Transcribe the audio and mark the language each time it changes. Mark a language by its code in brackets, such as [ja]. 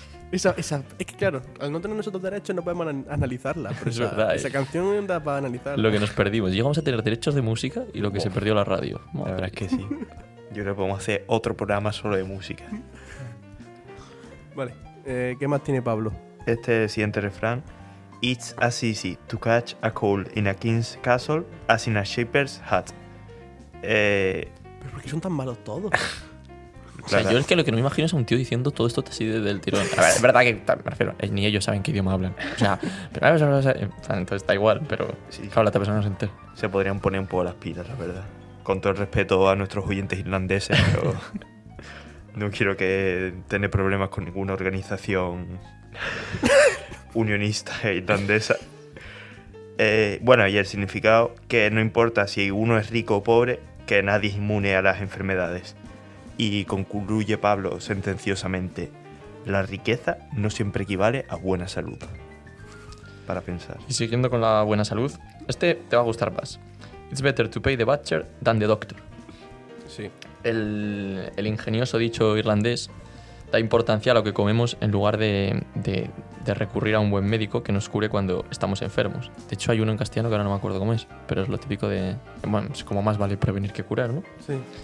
[es] Esa, es que claro, al no tener nosotros derechos no podemos analizarla. Pero es verdad. Esa canción da para analizarla. Lo que nos perdimos. Llegamos a tener derechos de música y lo que se perdió la radio. Madre. La verdad es que sí. Yo creo que podemos hacer otro programa solo de música. Vale. ¿Qué más tiene Pablo? Este siguiente refrán. [en] It's as easy to catch a cold in a king's castle as in a shepherd's hut. [es] ¿Pero por qué son tan malos todos? Claro. O sea, yo es que lo que no me imagino es a un tío diciendo todo esto así del tirón. A ver, es verdad que, me refiero, ni ellos saben qué idioma hablan. O sea, pero, entonces está igual, pero sí. Claro, la otra persona no se entera. Se podrían poner un poco las pilas, la verdad. Con todo el respeto a nuestros oyentes irlandeses, pero no quiero que tener problemas con ninguna organización unionista irlandesa. Bueno, y el significado, que no importa si uno es rico o pobre, que nadie es inmune a las enfermedades. Y concluye Pablo sentenciosamente: la riqueza no siempre equivale a buena salud. Para pensar. Y siguiendo con la buena salud, este te va a gustar más. [en] It's better to pay the butcher than the doctor. [es] Sí. El ingenioso dicho irlandés da importancia a lo que comemos en lugar de recurrir a un buen médico que nos cure cuando estamos enfermos. De hecho, hay uno en castellano que ahora no me acuerdo cómo es, pero es lo típico de... Bueno, es como más vale prevenir que curar, ¿no? Sí.